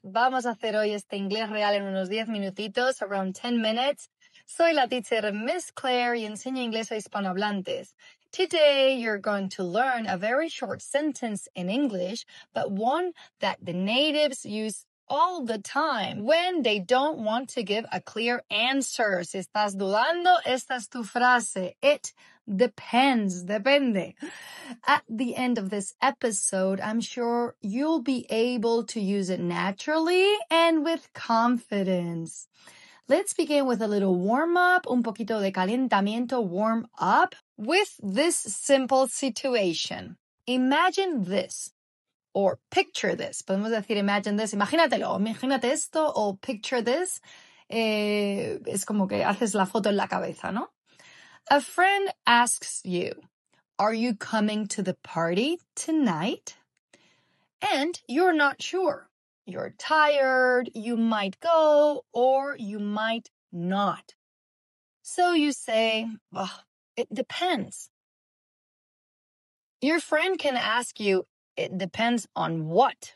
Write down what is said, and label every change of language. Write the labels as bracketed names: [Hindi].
[Spanish] Vamos a hacer hoy este inglés real en unos 10 minutitos, [English] around 10 minutes. [Spanish] Soy la teacher Miss Claire y enseño inglés a hispanohablantes. [English] Today you're going to learn a very short sentence in English, but one that the natives use all the time when they don't want to give a clear answer. [Spanish] Si estás dudando, esta es tu frase. [English] It depends. [Spanish] Depende. [English] At the end of this episode, I'm sure you'll be able to use it naturally and with confidence. Let's begin with a little warm-up, [Spanish] un poquito de calentamiento, [English] warm-up, with this simple situation. Imagine this, or picture this. [Spanish] Podemos decir [English] imagine this, [Spanish] imagínatelo, imagínate esto, o [English] picture this. [Spanish] Es como que haces la foto en la cabeza, ¿no? [English] A friend asks you, "Are you coming to the party tonight?" And you're not sure. You're tired, you might go, or you might not. So you say, "Well, it depends." Your friend can ask you, "It depends on what?"